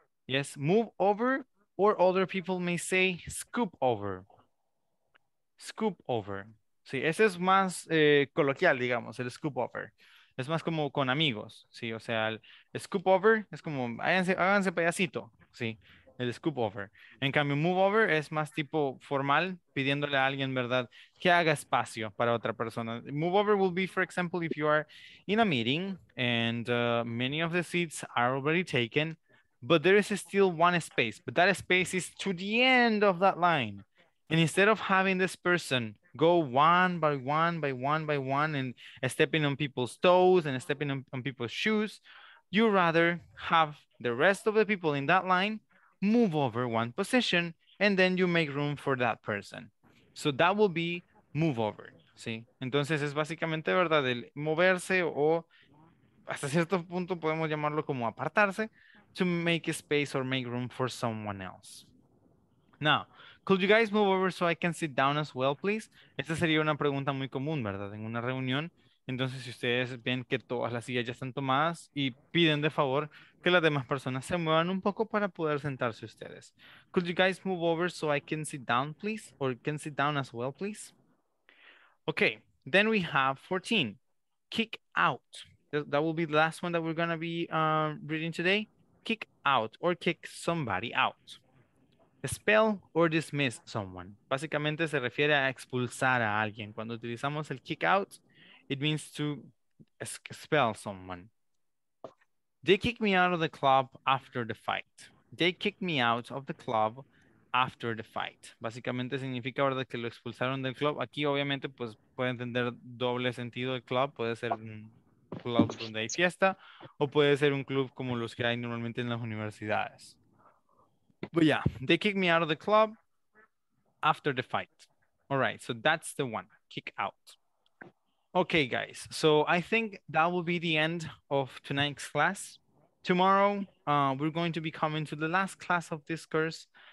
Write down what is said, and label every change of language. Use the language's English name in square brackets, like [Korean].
[English] Yes, move over, or other people may say scoop over. Scoop over. [Spanish] Sí, ese es más coloquial, digamos, el scoop over. Es más como con amigos, ¿sí? O sea, el scoop over es como, háganse payasito, ¿sí? El scoop over. En cambio, move over es más tipo formal, pidiéndole a alguien, ¿verdad? Que haga espacio para otra persona. [English] Move over will be, for example, if you are in a meeting and many of the seats are already taken, but there is still one space, but that space is to the end of that line. And instead of having this person go one by one by one by one and stepping on people's toes and stepping on people's shoes, you rather have the rest of the people in that line move over one position and then you make room for that person. So that will be move over, [Spanish] ¿sí? Entonces es básicamente, ¿verdad? El moverse o hasta cierto punto podemos llamarlo como apartarse [English] to make a space or make room for someone else. Now, could you guys move over so I can sit down as well, please? [Spanish] Esta sería una pregunta muy común, ¿verdad? En una reunión. Entonces, si ustedes ven que todas las sillas ya están tomadas y piden de favor que las demás personas se muevan un poco para poder sentarse ustedes. [English] Could you guys move over so I can sit down, please? Or can sit down as well, please? Okay, then we have 14. Kick out. That will be the last one that we're going to be reading today. Kick out or kick somebody out. Expel or dismiss someone. [Spanish] Básicamente se refiere a expulsar a alguien. Cuando utilizamos el kick out, [English] it means to expel someone. They kicked me out of the club after the fight. They kicked me out of the club after the fight. [Spanish] Básicamente significa, ¿verdad?, que lo expulsaron del club. Aquí obviamente pues puede entender doble sentido el club. Puede ser un club donde hay fiesta o puede ser un club como los que hay normalmente en las universidades. [English] But yeah, they kicked me out of the club after the fight. All right, so that's the one, kick out. Okay, guys, so I think that will be the end of tonight's class. Tomorrow, we're going to be coming to the last class of this course.